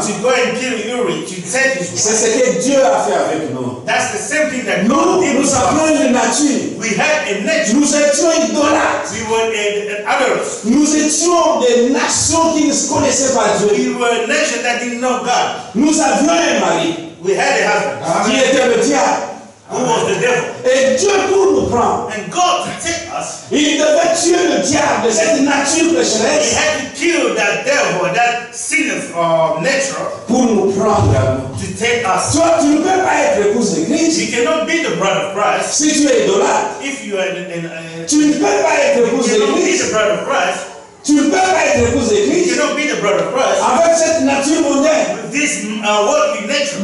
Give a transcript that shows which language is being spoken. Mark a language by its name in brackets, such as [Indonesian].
[English] to go and kill Uri, to take his wife. [French] C'est ce que Dieu a fait avec nous. [English] That's the same thing that [French] nous, God nous avons une nature. [English] We had a nature. [French] Nous étions idolâtres. [English] We were adults. [French] Nous étions des nations qui ne se connaissaient pas Dieu. [English] We were a nation that didn't know God. [French] Nous avions un mari. [English] We had a husband. [French] Qui était le diable. [English] Who was the devil. [French] Et Dieu pour nous prendre. [English] And God to take us. [French] Il devait tuer le diable de cette nature pécheresse. [English] He had to kill that devil, that sin of nature. [French] Pour nous prendre. [English] To take us. [French] Toi, tu ne peux pas être l'épouse de Christ. [English] You cannot be the bride of Christ. [French] Si tu es idolâtre. [English] If you are in [French] tu ne peux pas être l'épouse de Christ. [English] Be the bride of Christ. [French] Tu ne peux pas être l'épouse de Christ. [English] You cannot be the bride of Christ. [French] Avec cette nature mondaine. [English] With this worldly nature.